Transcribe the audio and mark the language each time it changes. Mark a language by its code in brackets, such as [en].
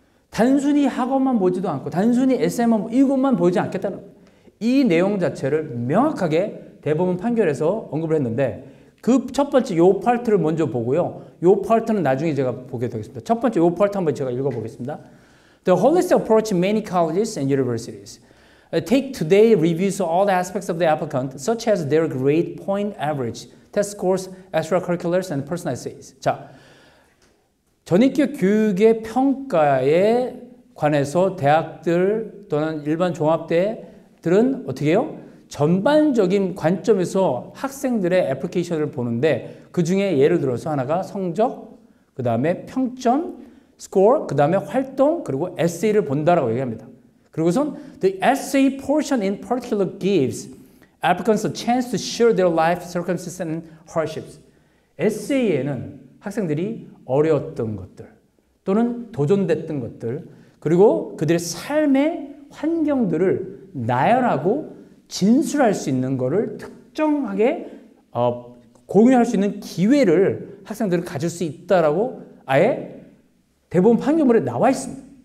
[ko] 단순히 학업만 보지도 않고 단순히 SM만 이것만 보지 않겠다는 이 내용 자체를 명확하게 대법원 판결에서 언급을 했는데 그 첫 번째 요 파트를 먼저 보고요. 요 파트는 나중에 제가 보게 되겠습니다. 첫 번째 요 파트 한번 제가 읽어보겠습니다. [en] The holistic approach in many colleges and universities. Take today's reviews of all aspects of the applicant, such as their grade point average, test scores, extracurriculars, and personal essays. [ko] 자, 전인격 교육의 평가에 관해서 대학들 또는 일반 종합대들은 어떻게 해요? 전반적인 관점에서 학생들의 애플리케이션을 보는데 그 중에 예를 들어서 하나가 성적, 그 다음에 평점, 스코어, 그 다음에 활동, 그리고 에세이를 본다라고 얘기합니다. 그리고선 [en] the essay portion in particular gives applicants a chance to share their life circumstances and hardships. [ko] 에세이에는 학생들이 어려웠던 것들 또는 도전됐던 것들 그리고 그들의 삶의 환경들을 나열하고 진술할 수 있는 것을 특정하게 공유할 수 있는 기회를 학생들은 가질 수 있다라고 아예 대법원 판결문에 나와 있습니다.